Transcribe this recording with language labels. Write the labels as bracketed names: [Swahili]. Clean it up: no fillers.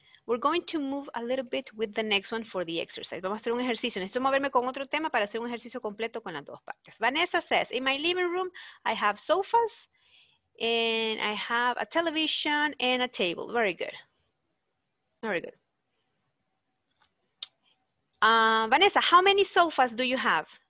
[English] We're going to move a little bit with the next one for the exercise. [Spanish] Vamos a hacer un ejercicio. Necesito moverme con otro tema para hacer un ejercicio completo con las dos partes. [English] Vanessa says, in my living room, I have sofas, and I have a television and a table. Very good. Very good. Vanessa, how many sofas do you have?